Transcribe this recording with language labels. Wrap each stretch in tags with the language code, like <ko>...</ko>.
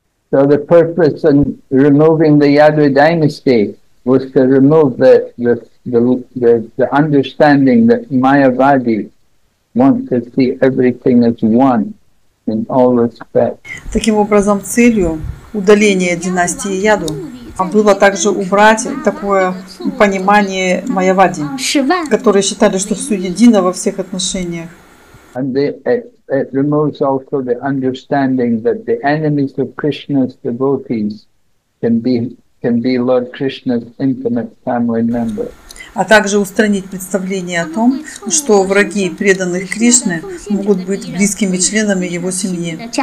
<en>So the purpose in removing the Yadu dynasty was to remove the understanding that Mayavadi want to see everything as one in all respects.</en> <ru>Таким образом, целью удаления династии Яду было также убрать такое понимание Майявади, которые считали, что все едино во всех отношениях.</ru> <en>And it removes also the understanding that the enemies of Krishna's devotees can be Lord Krishna's intimate family member.</en> <ru>А также устранить представление о том, что враги преданных Кришны могут быть близкими членами его семьи.</ru>